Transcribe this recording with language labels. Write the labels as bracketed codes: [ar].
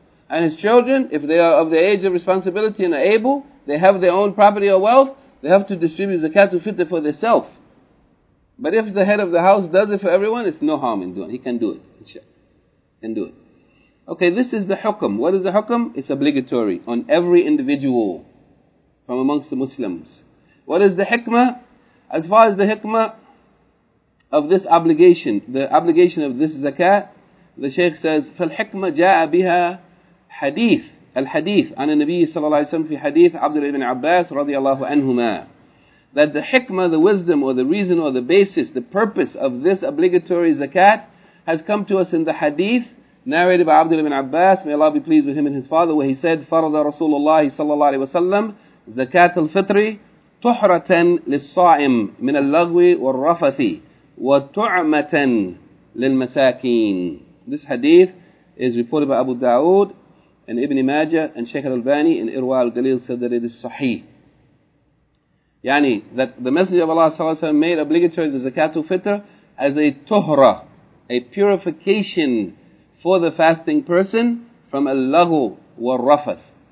[en] And his children, if they are of the age of responsibility and are able, they have their own property or wealth, they have to distribute zakatul fitr for themselves. But if the head of the house does it for everyone, it's no harm in doing it. He can do it. Okay, this is the hukum. What is the hukum? It's obligatory on every individual from amongst the Muslims. What is the hikmah? As far as the hikmah of this obligation, the obligation of this zakat, the Shaykh says, [ar] فَالْحِكْمَ جَاءَ بِهَا حَدِيثٌ الْحَدِيثُ عَنَ النَّبِيِّ صَلَّى اللَّهُ عَلَيْهِ وَسَلَّمَ فِي حَدِيثِ عَبْدِ الْإِبْنِ عَبَّاسِ رَضِيَ اللَّهُ عَنْهُمَا. [en] That the hikmah, the wisdom, or the reason, or the basis, the purpose of this obligatory zakat has come to us in the hadith narrated by Abdul ibn Abbas, may Allah be pleased with him and his father, where he said, [ar] فَرَضَ رَسُولُ اللَّهِ صَلَّى اللَّهُ عَلَيْهِ وَسَلَّمَ زَكَاةَ الْفِطْرِ طحرة للصائم من اللغو والرفث وتعمة للمساكين. [en] This hadith is reported by Abu Dawood and Ibn Majah and Sheikh Al-Albani in Irwa Al-Galil said that it is sahih. Yani that the Messenger of Allah sallallahu alayhi wa sallam made obligatory the zakatul fitr as a tuhra, a purification for the fasting person from al-lagu wal-rafath.